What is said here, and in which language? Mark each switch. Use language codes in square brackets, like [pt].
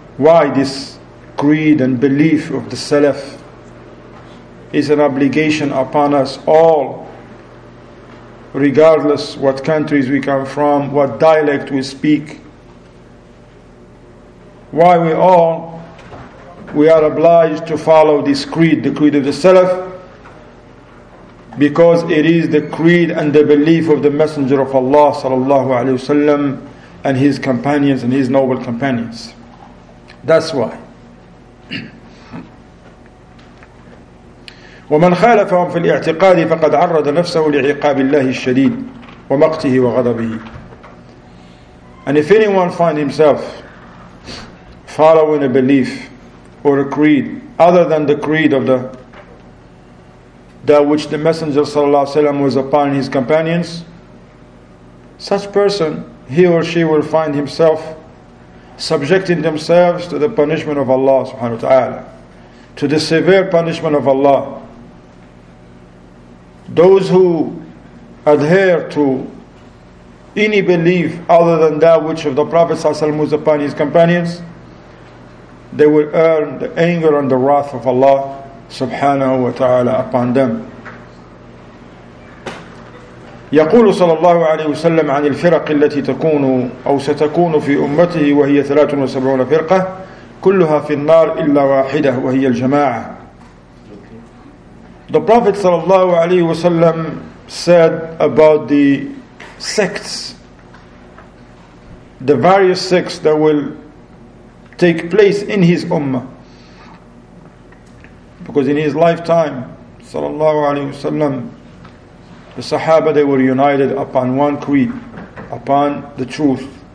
[en] Why this creed and belief of the Salaf is an obligation upon us all, regardless what countries we come from, what dialect we speak, why we are obliged to follow this creed, the creed of the Salaf, because it is the creed and the belief of the Messenger of Allah sallallahu alaihi wasallam and his companions and his noble companions. That's why. [ar] ومن خالفهم في الاعتقاد فقد عرض نفسه لعقاب الله الشديد ومقته وغضبه. [en] And if anyone find himself following a belief or a creed other than the creed of the that which the Messenger sallallahu alaihi wasallam was upon his companions, such person, he or she will find himself subjecting themselves to the punishment of Allah subhanahu wa ta'ala, to the severe punishment of Allah. Those who adhere to any belief other than that which of the Prophet sallallahu alaihi wasallam was upon his companions, they will earn the anger and the wrath of Allah subhanahu wa ta'ala upon them. [ar] يقول صلى الله عليه وسلم عن الفرق التي تكون أو ستكون في أمته وهي 73 فرقة كلها في النار إلا واحدة وهي الجماعة. [en] The Prophet صلى الله عليه وسلم said about the sects, the various sects that will take place in his ummah, because in his lifetime صلى الله عليه وسلم, the Sahaba, they were united upon one creed, upon the truth.